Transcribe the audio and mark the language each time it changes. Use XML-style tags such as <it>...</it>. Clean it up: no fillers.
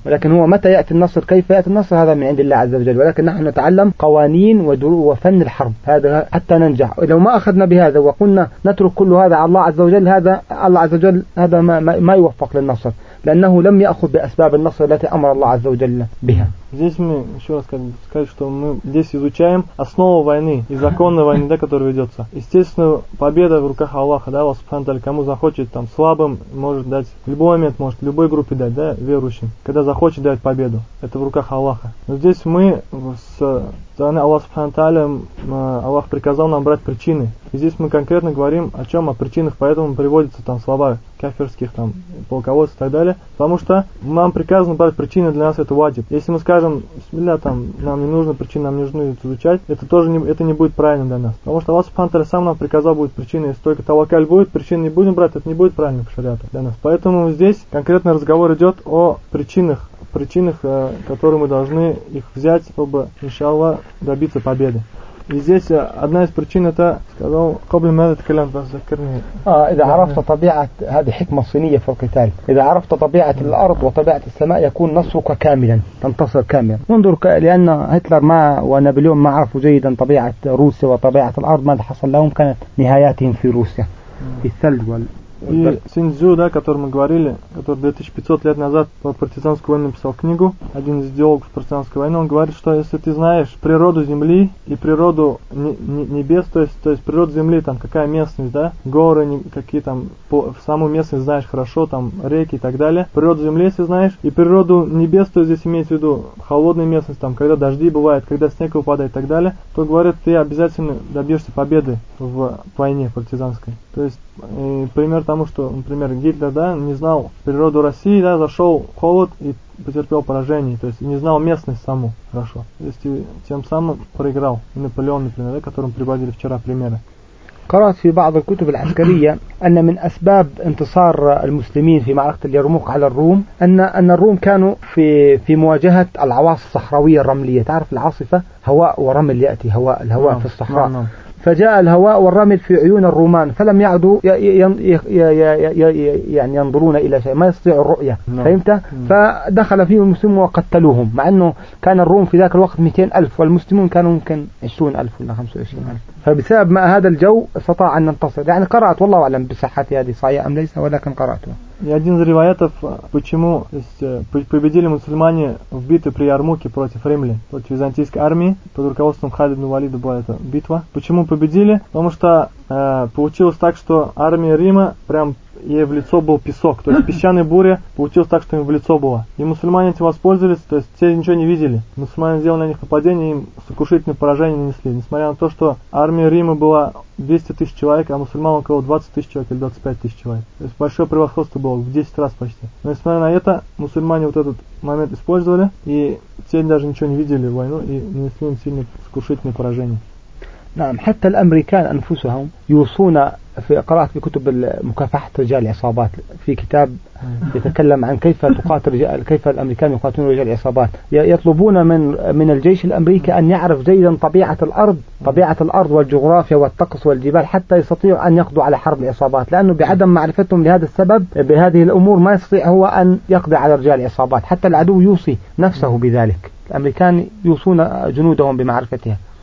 <ar>ولكن هو متى يأتي النصر، كيف يأتي النصر، هذا من عند الله عز وجل، ولكن نحن نتعلم قوانين ودروء وفن الحرب هذا حتى ننجح. لو ما أخذنا بهذا وقلنا نترك كل هذا على الله عز وجل، هذا الله عز وجل هذا ما يوفق للنصر، لأنه لم يأخذ بأسباب النصر التي أمر الله عز وجل بها.</ar> <ru>Здесь мы еще раз сказать, что мы здесь изучаем основу войны и законы войны, да, которые ведется. Естественно, победа в руках Аллаха, да, Аллах Субхану Тааля, кому захочет, там, слабым может дать, в любой момент может любой группе дать, да, верующим, когда захочет дать победу, это в руках Аллаха. Но здесь мы с стороны Аллаха Субхану Тааля, Аллах приказал нам брать причины. И здесь мы конкретно говорим о чем, о причинах, поэтому приводятся там слова кафирских, там, полководцев и так далее, потому что нам приказано брать причины, для нас это ваджиб. Если мы скажем, бисмилля, там, нам не нужно причины, нам не нужно изучать, это тоже не, это не будет правильно для нас. Потому что Аллах Субхану Тааля сам нам приказал будет причины, если только тавакаль будет, причины не будем брать, это не будет правильно по шариату для нас. Поэтому здесь конкретно разговор идет о причинах, которые мы должны их взять, чтобы, иншаллах, добиться победы. И здесь одна из причин это, сказал,</ru> <ar>قبل ما اتكلم بس ذكرني. اذا عرفت طبيعه هذه حكمه صينيه في القتال. اذا عرفت طبيعه الارض وطبيعه السماء يكون نصرك كاملا، تنتصر كاملا. انظر لان هتلر ما ونابليون ما عرفوا جيدا طبيعه روسيا وطبيعه الارض، ماذا حصل لهم؟ كانت نهاياتهم في روسيا في الثلج وال</ar> <ru>И Сун Цзю, да, о котором мы говорили, который 2500 лет назад по партизанскую войну написал книгу, один из идеологов партизанской войны, он говорит, что если ты знаешь природу земли и природу небес, то есть природу земли, там какая местность, да, горы, какие там, самую местность знаешь хорошо, там реки и так далее, природу земли если знаешь, и природу небес, то здесь имеется в виду холодная местность, там, когда дожди бывают, когда снег выпадает и так далее, то, говорят, ты обязательно добьешься победы в войне партизанской. То есть, пример тому, что, например, Гитлер, да, не знал природу России, да, зашел холод и потерпел поражение, то есть не знал местность саму хорошо. То есть, тем самым проиграл. И Наполеон, например, да, которым приводили вчера примеры.</ru> <ar>قرأت في بعض الكتب العسكرية أن من أسباب انتصار المسلمين في معركة اليرموك على الروم أن الروم كانوا في مواجهة العواصف الصحراوية الرملية، تعرف العاصفة هواء ورمل يأتي، هواء الهواء في الصحراء، فجاء الهواء والرمل في عيون الرومان فلم يعدوا يعني ينظرون إلى شيء، ما يستطيعوا الرؤية، فهمت؟ فدخل فيهم المسلمون وقتلوهم، مع أنه كان الروم في ذاك الوقت 200,000 والمسلمون كانوا ممكن 20,000 ولا 25,000، فبسبب ما هذا الجو استطاع أن ننتصر. يعني قرأت والله أعلم بصحة هذه صحيحة أم ليس، ولكن قرأته.</ar> <ru>И один из риваятов, почему победили мусульмане в битве при Ярмуке против римлян, против византийской армии, под руководством Халида ибн Валида была эта битва. Почему победили? Потому что получилось так, что армия Рима прям ей в лицо был песок, то есть песчаная буря, получилось так, что им в лицо было. И мусульмане этим воспользовались, то есть те ничего не видели. Мусульмане сделали на них нападение, им сокрушительное поражение нанесли. Несмотря на то, что армия Рима была 200 тысяч человек, а мусульман около 20 тысяч человек или 25 тысяч человек. То есть большое превосходство было, в 10 раз почти. Но несмотря на это, мусульмане вот этот момент использовали, и те даже ничего не видели в войну, и нанесли им сильное сокрушительное поражение.</ru> <ar>نعم، حتى الأمريكان أنفسهم يوصون في قرأت في كتب مكافحة رجال العصابات في كتاب يتكلم عن كيف تقاتل رجال، كيف الأمريكان يقاتلون رجال العصابات، يطلبون من الجيش الأمريكي أن يعرف جيدا طبيعة الأرض والجغرافيا والطقس والجبال حتى يستطيع أن يقضوا على حرب العصابات، لأنه بعدم معرفتهم لهذا السبب بهذه الأمور ما يستطيع هو أن يقضي على رجال العصابات، حتى العدو يوصي نفسه بذلك، الأمريكان يوصون جنودهم بمعرفتها.</ar>